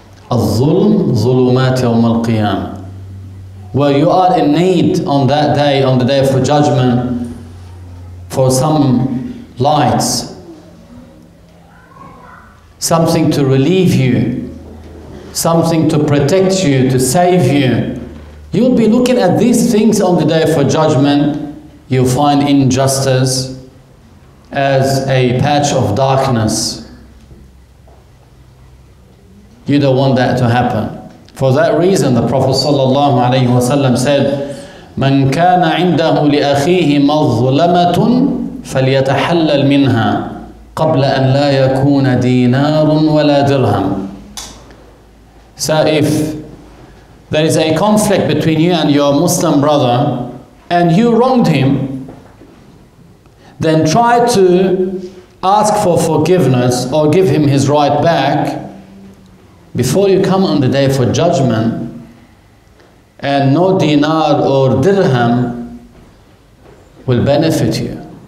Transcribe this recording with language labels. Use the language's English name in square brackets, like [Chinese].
[Arabic] الظلم ظلمات يوم القيامة. [English] Where you are in need on that day, on the day of judgment, for some lights, something to relieve you, something to protect you, to save you. You'll be looking at these things on the day of judgment. You'll find injustice as a patch of darkness. You don't want that to happen. For that reason, the Prophet ﷺ said, [Arabic] "من كان عنده لأخيه مظلمة فليتحلل منها قبل أن لا يكون دينار ولا درهم." [English] So if there is a conflict between you and your Muslim brother, and you wronged him, then try to ask for forgiveness or give him his right back before you come on the day for judgment, and no dinar or dirham will benefit you.